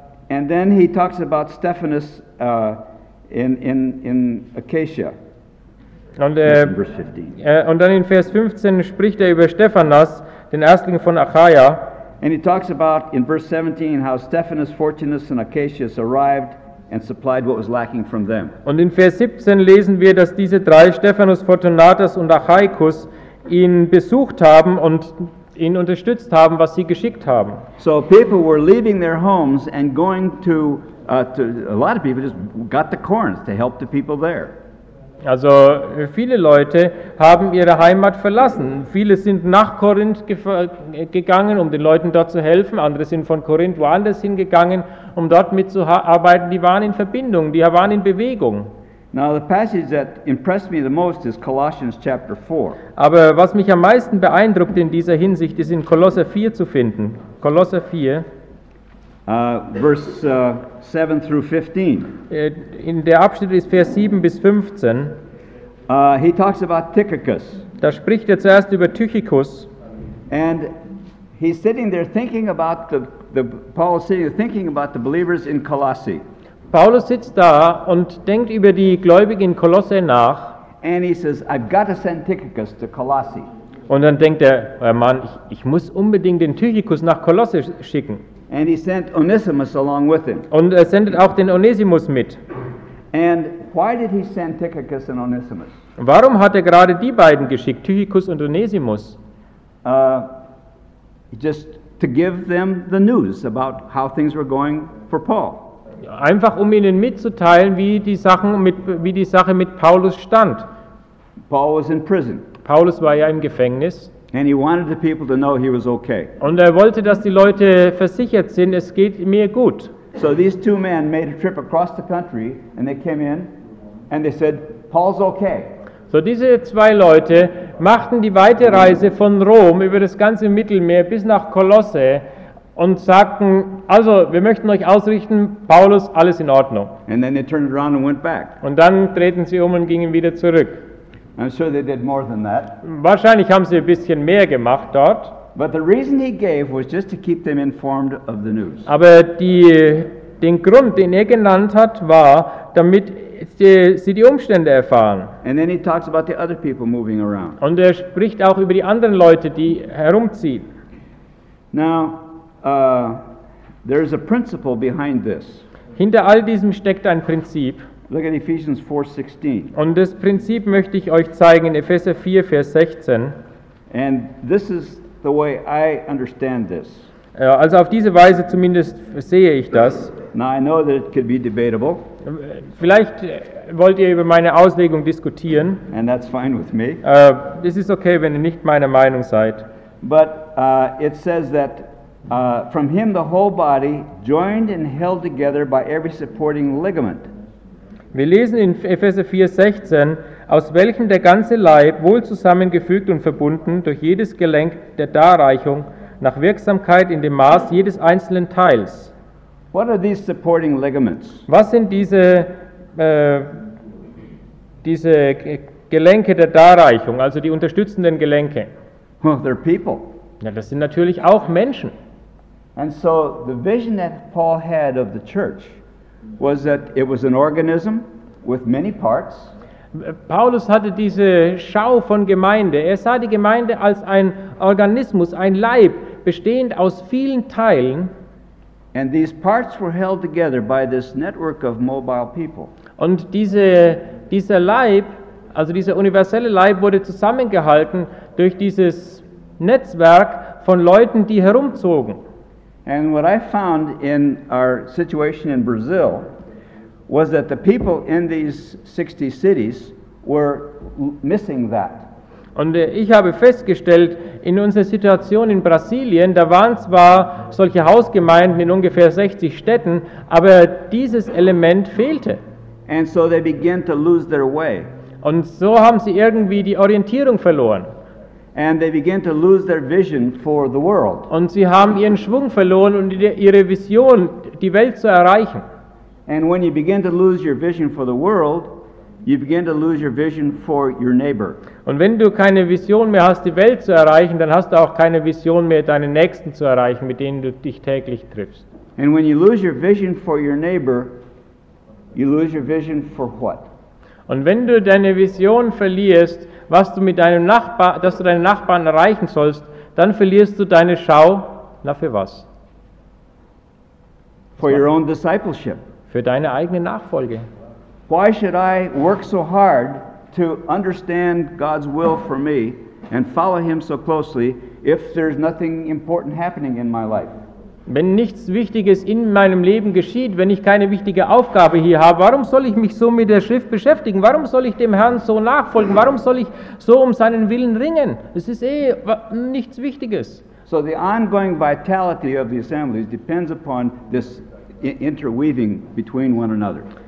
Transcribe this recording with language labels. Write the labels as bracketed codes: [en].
[en] And then he talks about Stephanus in Achaia. [de] Und dann in Vers 15 spricht er über Stephanas, den Erstling von Achaia. [en] And he talks about in verse 17 how Stephanus, Fortunus and Acacius arrived and supplied what was lacking from them. [de] Und in Vers 17 lesen wir, dass diese drei Stephanus, Fortunatus und Achaicus ihn besucht haben und ihn unterstützt haben, was sie geschickt haben. [en] So people were leaving their homes and going to a lot of people just got the corns to help the people there. [de] Also viele Leute haben ihre Heimat verlassen. Viele sind nach Korinth gegangen, um den Leuten dort zu helfen. Andere sind von Korinth woanders hingegangen, um dort mitzuarbeiten. Die waren in Verbindung, die waren in Bewegung. [en] Now the passage that impressed me the most is Colossians chapter 4. [de] Aber was mich am meisten beeindruckt in dieser Hinsicht, ist in Kolosser 4 zu finden. Kolosser 4. [en] Verse 7 through 15. [de] In der Abschnitt ist Vers 7 bis 15. [en] He talks about Tychicus. [de] Da spricht er zuerst über Tychicus. [en] And he's sitting there thinking about the Paul is sitting there thinking about the believers in Colossae. [de] Paulus sitzt da und denkt über die Gläubigen in Kolosse nach. [en] And he says, I've got to send Tychicus to Colossae. [de] Und dann denkt er, Mann, ich muss unbedingt den Tychicus nach Kolosse schicken. [en] And he sent Onesimus along with him. [de] Und er sendet auch den Onesimus mit. [en] And why did he send Tychicus and Onesimus? [de] Warum hat er gerade die beiden geschickt, Tychicus und Onesimus? [en] Just to give them the news about how things were going for Paul. [de] Einfach um ihnen mitzuteilen, wie die Sache mit Paulus stand. [en] Paul was in prison. [de] Paulus war ja im Gefängnis. [en] And he wanted the people to know he was okay. [de] Und er wollte, dass die Leute versichert sind, es geht mir gut. [en] So these two men made a trip across the country and they came in and they said, Paul's okay. [de] So diese zwei Leute machten die weite Reise von Rom über das ganze Mittelmeer bis nach Kolosse und sagten, also wir möchten euch ausrichten, Paulus, alles in Ordnung. [en] And then they turned around and went back. [de] Und dann drehten sie um und gingen wieder zurück. [en] I'm sure they did more than that. [de] Wahrscheinlich haben sie ein bisschen mehr gemacht dort. [en] But the reason he gave was just to keep them informed of the news. [de] Aber den Grund, den genannt hat, war, damit sie die Umstände erfahren. [en] And then he talks about the other people moving around. [de] Und spricht auch über die anderen Leute, die herumziehen. [en] Now, there is a principle behind this. [de] Hinter all diesem steckt ein Prinzip. [en] Look at Ephesians 4:16. [de] Und das Prinzip möchte ich euch zeigen in Epheser 4, Vers 16. [en] And this is the way I understand this. [de] Also auf diese Weise zumindest sehe ich das. [en] Now I know that it could be debatable. [de] Vielleicht wollt ihr über meine Auslegung diskutieren. [en] And that's fine with me. [de] Das ist okay, wenn ihr nicht meiner Meinung seid. [en] But it says that from him the whole body joined and held together by every supporting ligament. [de] Wir lesen in Epheser 4:16, aus welchem der ganze Leib wohl zusammengefügt und verbunden durch jedes Gelenk der Darreichung nach Wirksamkeit in dem Maß jedes einzelnen Teils. [en] What are these supporting ligaments? [de] Was sind diese Gelenke der Darreichung, also die unterstützenden Gelenke? [en] Well, they're people. [de] Ja, das sind natürlich auch Menschen. [en] And so the vision that Paul had of the church was that it was an organism with many parts. [de] Paulus hatte diese Schau von Gemeinde. Er sah die Gemeinde als ein Organismus, ein Leib, bestehend aus vielen Teilen. [en] And these parts were held together by this network of mobile people. [de] Und dieser Leib, also dieser universelle Leib, wurde zusammengehalten durch dieses Netzwerk von Leuten, die herumzogen. [en] And what I found in our situation in Brazil was that the people in these 60 cities were missing that. [de] Und ich habe festgestellt, in unserer Situation in Brasilien, da waren zwar solche Hausgemeinden in ungefähr 60 Städten, aber dieses Element fehlte. [en] And so they began to lose their way. [de] Und so haben sie irgendwie die Orientierung verloren. [en] And they begin to lose their vision for the world. [de] Und sie haben ihren Schwung verloren und ihre Vision, die Welt zu erreichen. [en] And when you begin to lose your vision for the world, you begin to lose your vision for your neighbor. [de] Und wenn du keine Vision mehr hast, die Welt zu erreichen, dann hast du auch keine Vision mehr, deine Nächsten zu erreichen, mit denen du dich täglich triffst. [en] And when you lose your vision for your neighbor, you lose your vision for what? [de] Und wenn du deine Vision verlierst, was du mit deinem Nachbarn, dass du deinen Nachbarn erreichen sollst, dann verlierst du deine Schau. Na, für was? [en] For your own discipleship. [de] Für deine eigene Nachfolge. [en] Why should I work so hard to understand God's will for me and follow him so closely if there's nothing important happening in my life? [de] Wenn nichts Wichtiges in meinem Leben geschieht, wenn ich keine wichtige Aufgabe hier habe, warum soll ich mich so mit der Schrift beschäftigen? Warum soll ich dem Herrn so nachfolgen? Warum soll ich so um seinen Willen ringen? Es ist nichts Wichtiges. [en] So the ongoing vitality of the assemblies depends upon this interweaving between one another.